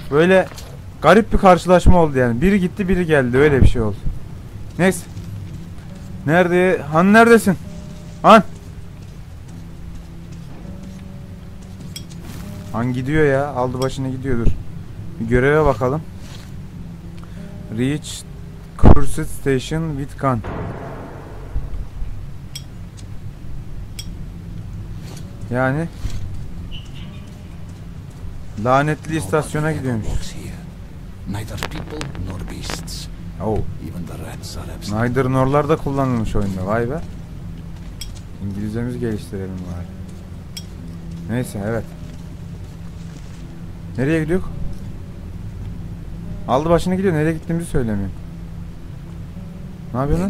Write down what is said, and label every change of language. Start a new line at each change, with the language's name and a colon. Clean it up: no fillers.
Turkish: Böyle garip bir karşılaşma oldu yani. Biri gitti biri geldi, öyle bir şey oldu. Neyse. Nerede? Han neredesin? Han! Han gidiyor ya, aldı başını gidiyordur. Bir göreve bakalım.
English: Reach Cursed Station with Khan.
Turkish: Yani lanetli istasyona gidiyormuş.
English: Neither people nor beasts. Even the rats are absent.
Turkish: Neither nor'lar da kullanılmış oyunda. Vay be. İngilizcemizi geliştirelim bari. Neyse, evet. Nereye gidiyor? Aldı başını gidiyor. Nereye gittiğimizi söylemiyor. Ne yapıyorsun?